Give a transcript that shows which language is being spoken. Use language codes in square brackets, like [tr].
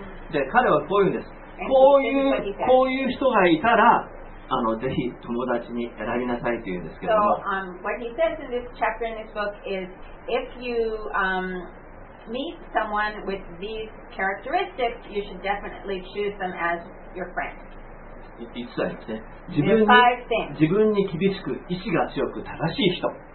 [ja] で、彼はこういうんです。こういう人がいたら、ぜひ友達に選びなさいというんですけども。 [en] So, what he says in this chapter in this book is, if you meet someone with these characteristics, you should definitely choose them as your friend. [ja] 5つありますね。自分に厳しく、意志が強く、正しい人。